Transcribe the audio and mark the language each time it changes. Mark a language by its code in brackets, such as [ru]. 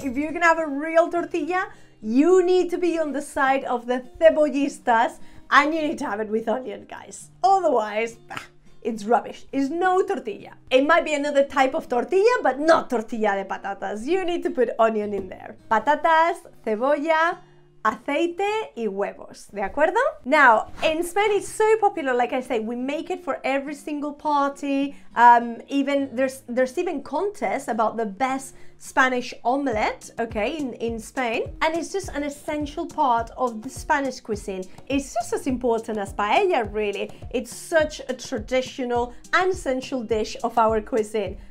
[en] If you're gonna have a real tortilla, you need to be on the side of the cebollistas, and you need to have it with onion, guys. Otherwise, bah, it's rubbish. It's no tortilla. It might be another type of tortilla, but not tortilla de patatas. You need to put onion in there. [es] Patatas, cebolla, aceite y huevos, ¿de acuerdo? [en] Now, in Spain it's so popular, like I say, we make it for every single party, even there's even contests about the best Spanish omelette, okay, in Spain, and it's just an essential part of the Spanish cuisine. It's just as important as paella, really. It's such a traditional and essential dish of our cuisine.